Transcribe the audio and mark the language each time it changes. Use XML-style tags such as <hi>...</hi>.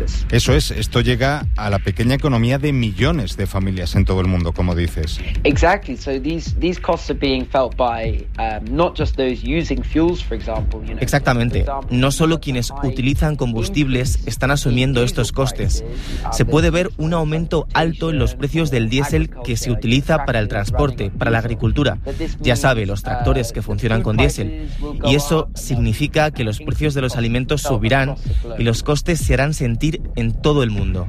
<es>Eso es, esto llega a la pequeña economía de millones de familias en todo el mundo, como dices.</es> <en>Exactly. So these costs are being felt by not just those using fuels, for example.</en> <es>Exactamente. No solo quienes utilizan combustibles están asumiendo estos costes. Se puede ver un aumento alto en los precios del diésel que se utiliza para el transporte, para la agricultura. Ya sabe, los tractores que funcionan con diésel. Y eso significa que los precios de los alimentos subirán y los costes se harán sentir en todo el mundo.</es>